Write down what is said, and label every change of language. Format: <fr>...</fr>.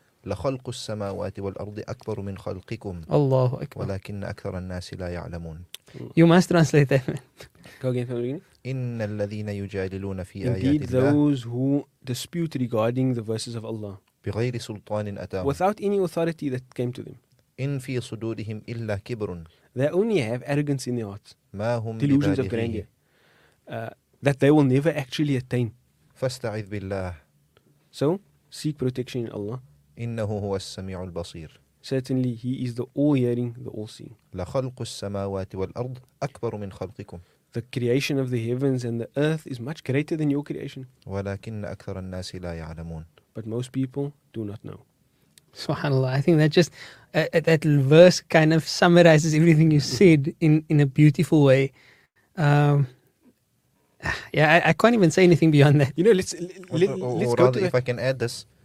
<ar>لخلق السماوات والأرض أكبر من خلقكم. الله أكبر. ولكن أكثر الناس لا يعلمون.</ar> <en>You must translate that, man. Go again from the beginning.</en> <ar>إن الذين يجادلون في آيات الله.</ar> <en>Indeed, those who dispute regarding the verses of Allah.</en> <ar>بغير سلطان أتاهم.</ar> <en>Without any authority that came to them.</en> <ar>إن في صدورهم إلا كبر.</ar> <en>They only have arrogance in their hearts.</en> <ar>ما هم بذلك.</ar> <en>Delusions of grandeur. That they will never actually attain.</en> <ar>فاستعذ بالله.</ar> <en>So seek protection in Allah.</en> <ar>إنه هو السميع البصير.</ar> <en>Certainly, he is the all-hearing, the all-seeing.</en> <ar>لخلق السماوات والأرض أكبر من خلقكم.</ar> <en>The creation of the heavens and the earth is much greater than your creation.</en> <ar>ولكن أكثر الناس لا يعلمون.</ar> <en>But most people do not know. Subhanallah. I think that just that verse kind of summarizes everything you said in a beautiful way. I can't even say anything beyond that. You know, let's or go rather, to if I can add this.</en>